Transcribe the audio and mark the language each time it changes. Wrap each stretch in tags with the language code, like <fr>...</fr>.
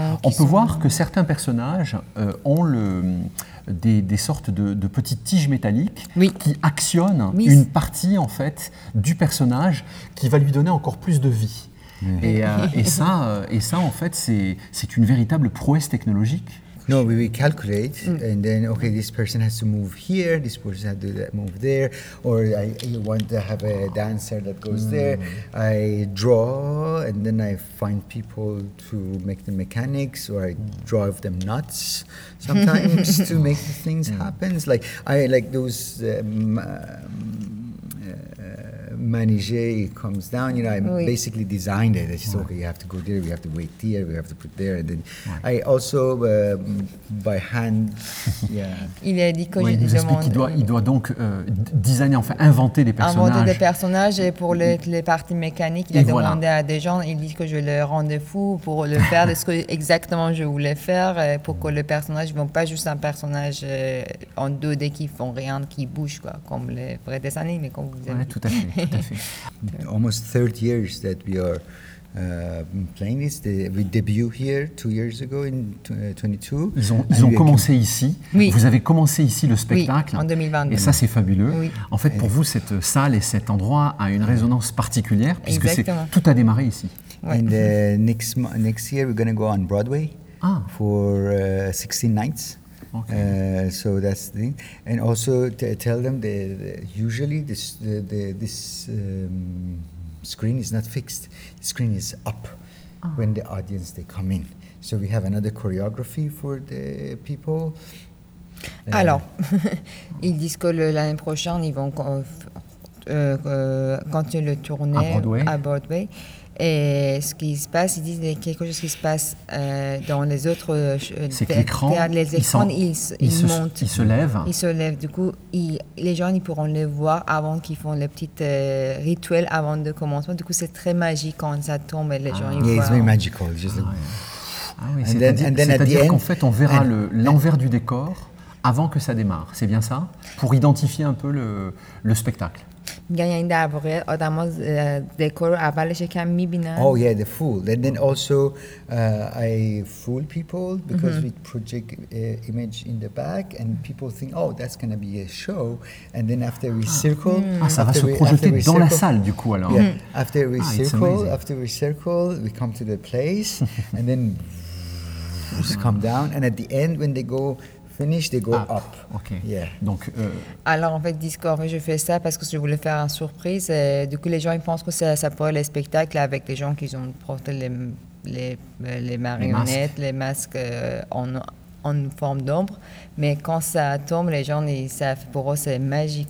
<fr>on peut voir que certains personnages ont des sortes de petites tiges métalliques qui actionnent une partie, en fait, du personnage qui va lui donner encore plus de vie. Et ça, en fait, c'est une véritable prouesse technologique.</fr> <en>No, we calculate, and then okay, this person has to move here, this person has to move there, or I want to have a dancer that goes there. I draw, and then I find people to make the mechanics, or I drive them nuts sometimes to make the things happen. Like those manege, it comes down, you know, I basically designed it. It's okay, you have to go there, we have to wait here, we have to put there. And then I also, by hand, yeah.</en> <fr>Il a dit que je demande... Il doit donc designer, enfin inventer des personnages. Inventer des personnages, et pour les parties mécaniques, il a demandé à des gens, il dit que je le rendais fou pour le faire, de ce que exactement je voulais faire, pour que le personnage ne soit pas juste un personnage en 2D qui ne font rien, qui bouge, quoi, comme les vrais dessins animés, comme vous avez dit. Tout à fait.</fr> <en>Almost 30 years that we are playing this. We debut here 2 years ago in 22.</en> <fr>Ils ont commencé ici. Oui. Vous avez commencé ici le spectacle. Oui, en 2022. Et ça, c'est fabuleux. Oui. En fait, pour vous, cette salle et cet endroit a une résonance particulière puisque tout a démarré ici. Oui.</fr> <en>And next year, we're going to go on Broadway for 16 nights. Okay. So that's the thing, and also tell them that usually this screen is not fixed. The screen is up when the audience they come in. So we have another choreography for the people.</en> <fr>Alors, ils disent que l'année prochaine ils vont continuer le tournée à Broadway. Et ce qui se passe, ils disent quelque chose qui se passe dans les autres théâtres, ils montent. Ils se lèvent. Ils se lèvent. Du coup, les gens, ils pourront les voir avant qu'ils font les petits rituels avant de commencer. Du coup, c'est très magique quand ça tombe et les gens, ils voient.</fr> <en>Yeah, it's very magical. It's just like...</en> <fr>C'est-à-dire qu'en fait, on verra l'envers du décor avant que ça démarre. C'est bien ça? Pour identifier un peu le spectacle.</fr> <fa>یعنی این در واقع آدم ها دکور اولش یکم میبینن</fa> <en>Oh yeah, the fool. And then also I fool people because mm-hmm. we project image in the back and people think, oh, that's going to be a show. And then after we circle</en> <fr>Ça va se projeter dans la salle du coup alors</fr> <en>yeah. After we circle, after we circle, we come to the place and then just come down. And at the end when they go finish, they go up. Okay. Yeah.</en> <fr>Donc. Alors en fait, Discord, je fais ça parce que je voulais faire une surprise. Et du coup, les gens ils pensent que ça pourrait être le spectacle avec les gens qui ont porté les marionnettes, les masques en forme d'ombre. Mais quand ça tombe, les gens, pour eux, c'est magique.</fr>